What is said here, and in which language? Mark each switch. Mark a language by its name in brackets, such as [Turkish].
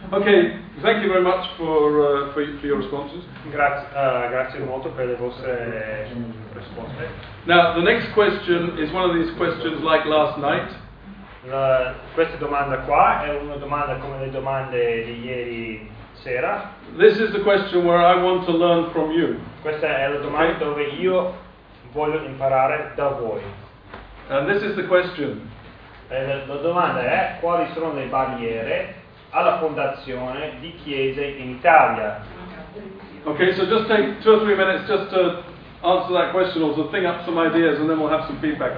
[English] Okay, thank you very much for your responses. [Italian] Grazie molto per le vostre risposte. [English] Now, the next question is one of these questions like last night. [Italian] Questa domanda qua è una domanda come le domande di ieri sera. [English] This is the question where I want to learn from you. [Italian] Questa è la domanda dove io voglio imparare da voi. [English] And this is the question. [Italian] La domanda è: quali sono le barriere alla fondazione di chiese in Italia? [English] Okay, so just take 2 or 3 minutes just to answer that question or to think up some ideas, and then we'll have some feedback.